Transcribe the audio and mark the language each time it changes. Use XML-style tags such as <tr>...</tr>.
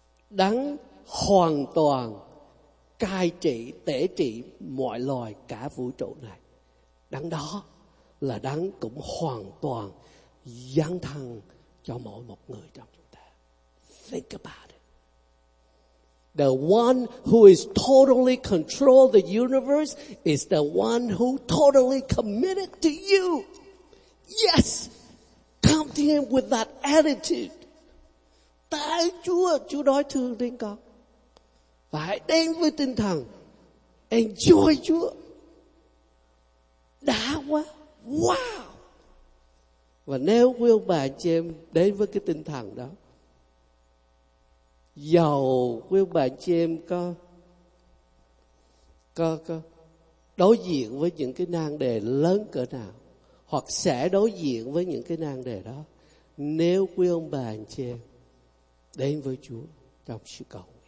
<vi>Đấng hoàn toàn cai trị, tể trị mọi loài cả vũ trụ này, đấng đó là đấng cũng hoàn toàn dấn thân cho mỗi một người trong chúng ta.</vi> <en>Think about it. The one who is totally control the universe is the one who totally committed to you. Yes, come to him with that attitude.</en> <vi>Ta ơi Chúa, Chúa nói thương đến con. Và hãy đến với tinh thần enjoy Chúa. Đã quá. Wow. Và nếu quý ông bà chị em đến với cái tinh thần đó, dầu quý ông bà chị em có đối diện với những cái nan đề lớn cỡ nào, hoặc sẽ đối diện với những cái nan đề đó, nếu quý ông bà chị em đến với Chúa trong sự cầu,</vi>